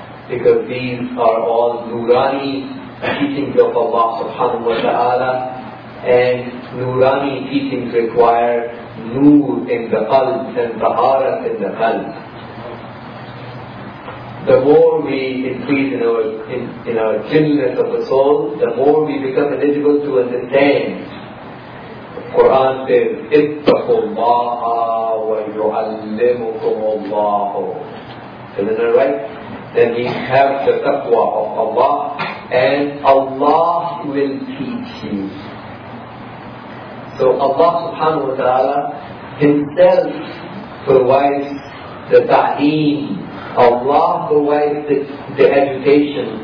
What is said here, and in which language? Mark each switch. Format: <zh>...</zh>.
<en>Because these are all Nurani teachings of Allah subhanahu wa ta'ala, and Nurani teachings require Nur in the qalb and Taharat in the qalb. The more we increase in our jinnness of the soul, the more we become eligible to understand. Quran says,</en> <ar>اِتَّقُوا اللَّهَ وَيُعَلِّمُكُمُ اللَّهُ.</ar> <en>Isn't that right? Then we have the taqwa of Allah, and Allah will teach you. So Allah subhanahu wa ta'ala himself provides the ta'een. Allah provides the education.</en>